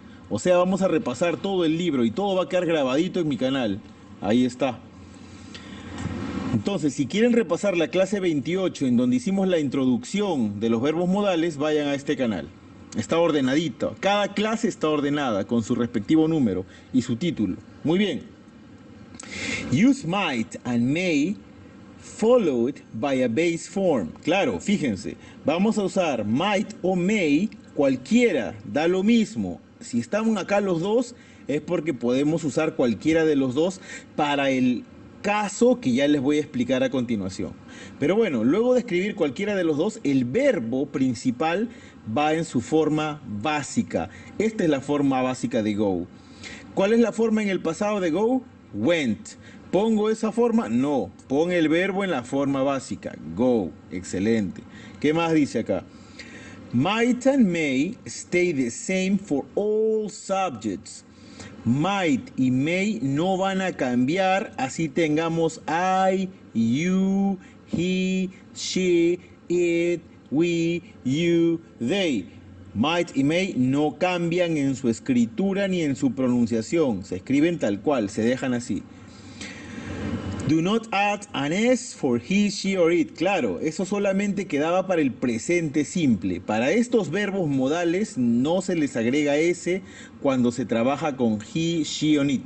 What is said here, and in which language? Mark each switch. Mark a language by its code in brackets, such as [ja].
[es] O sea, vamos a repasar todo el libro y todo va a quedar grabadito en mi canal. Ahí está. Entonces, si quieren repasar la clase 28, en donde hicimos la introducción de los verbos modales, vayan a este canal. Está ordenadito. Cada clase está ordenada con su respectivo número y su título. Muy bien. [en] Use might and may followed by a base form. [es] Claro, fíjense. Vamos a usar might o may, cualquiera, da lo mismo. Si están acá los dos, es porque podemos usar cualquiera de los dos para el caso que ya les voy a explicar a continuación. Pero bueno, luego de escribir cualquiera de los dos, el verbo principal va en su forma básica. Esta es la forma básica de go. ¿Cuál es la forma en el pasado de go? Went. ¿Pongo esa forma? No. Pon el verbo en la forma básica. Go. Excelente. ¿Qué más dice acá? [en] Might and may stay the same for all subjects. [es] Might y may no van a cambiar así tengamos I, you, he, she, it, we, you, they. Might y may no cambian en su escritura ni en su pronunciación. Se escriben tal cual, se dejan así. [en] Do not add an S for he, she or it. [es] Claro, eso solamente quedaba para el presente simple. Para estos verbos modales no se les agrega S cuando se trabaja con he, she or it.